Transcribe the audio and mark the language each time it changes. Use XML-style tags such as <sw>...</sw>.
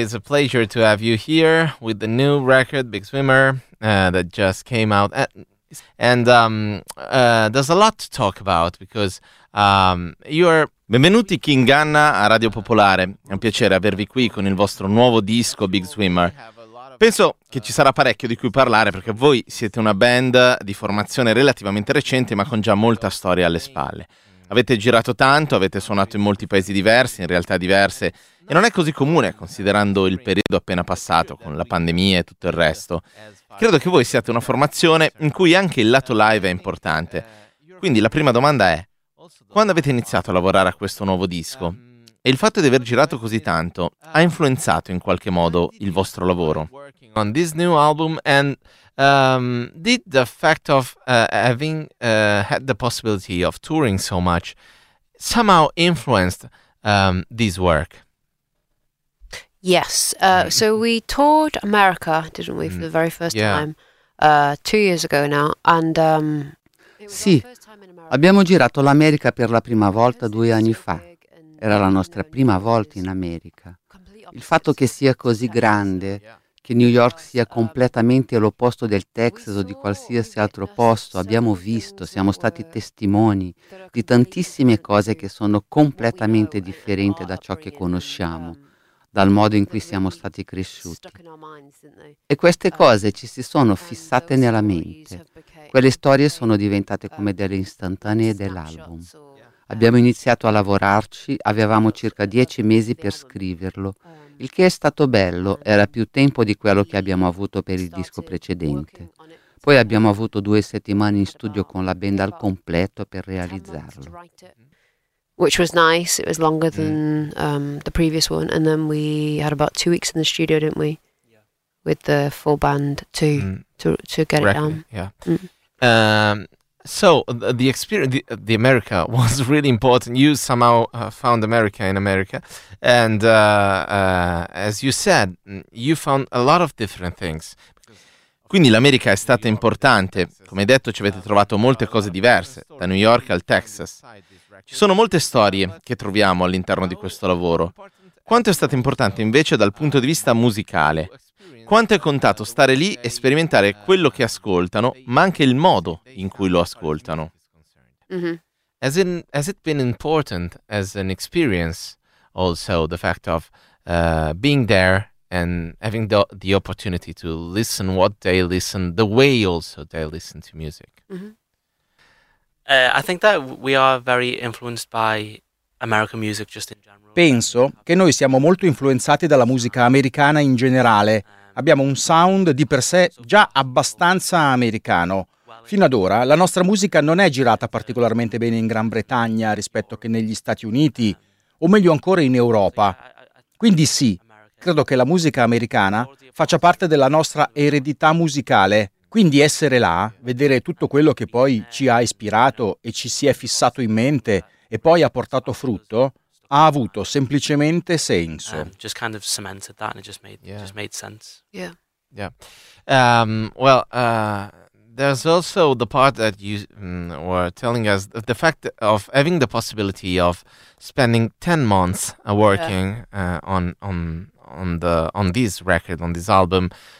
<en>It's a pleasure to have you here with the new record, Big Swimmer, that just came out. And there's a lot to talk about because you are...</en> <it>Benvenuti King Gunna a Radio Popolare. È un piacere avervi qui con il vostro nuovo disco, Big Swimmer. Penso che ci sarà parecchio di cui parlare perché voi siete una band di formazione relativamente recente ma con già molta storia alle spalle. Avete girato tanto, avete suonato in molti paesi diversi, in realtà diverse, e non è così comune considerando il periodo appena passato con la pandemia e tutto il resto. Credo che voi siate una formazione in cui anche il lato live è importante. Quindi la prima domanda è: quando avete iniziato a lavorare a questo nuovo disco? E il fatto di aver girato così tanto ha influenzato in qualche modo il vostro lavoro?</it> <en>On this new album and did the fact of having had the possibility of touring so much somehow influenced this work? Yes. So we toured America, didn't we, for the very first time 2 years ago now, and</en> <it>sì, abbiamo girato l'America per la prima volta 2 anni fa. Era la nostra prima volta in America. Il fatto che sia così grande, che New York sia completamente l'opposto del Texas o di qualsiasi altro posto, abbiamo visto, siamo stati testimoni di tantissime cose che sono completamente differenti da ciò che conosciamo, dal modo in cui siamo stati cresciuti. E queste cose ci si sono fissate nella mente. Quelle storie sono diventate come delle istantanee dell'album. Abbiamo iniziato a lavorarci, avevamo circa 10 mesi per scriverlo. Il che è stato bello, era più tempo di quello che abbiamo avuto per il disco precedente. Poi abbiamo avuto 2 settimane in studio con la band al completo per realizzarlo.</it> <en>Which was nice, it was longer than the previous one. And then we had about 2 weeks in the studio, didn't we? With the full band to get it down. Yeah. So the experience, the America was really important. You somehow found America in America, and as you said, you found a lot of different things.</en> <it>Quindi l'America è stata importante. Come detto, ci avete trovato molte cose diverse, da New York al Texas. Ci sono molte storie che troviamo all'interno di questo lavoro. Quanto è stato importante invece dal punto di vista musicale? Quanto è contato stare lì e sperimentare quello che ascoltano, ma anche il modo in cui lo ascoltano?</it> <en>Has it been important as an experience also the fact of being there and having the opportunity to listen what they listen, the way also they listen to music? I think that we are very influenced by American music just in general.</en> <it>Penso che noi siamo molto influenzati dalla musica americana in generale. Abbiamo un sound di per sé già abbastanza americano. Fino ad ora la nostra musica non è girata particolarmente bene in Gran Bretagna rispetto che negli Stati Uniti, o meglio ancora in Europa. Quindi sì, credo che la musica americana faccia parte della nostra eredità musicale. Quindi essere là, vedere tutto quello che poi ci ha ispirato e ci si è fissato in mente e poi ha portato frutto, ha avuto semplicemente senso.</it> <en>Just kind of cemented that and it just made just made sense. Yeah. Yeah. Well, there's also the part that you were telling us, the fact of having the possibility of spending 10 months working on this record, on this album.</en>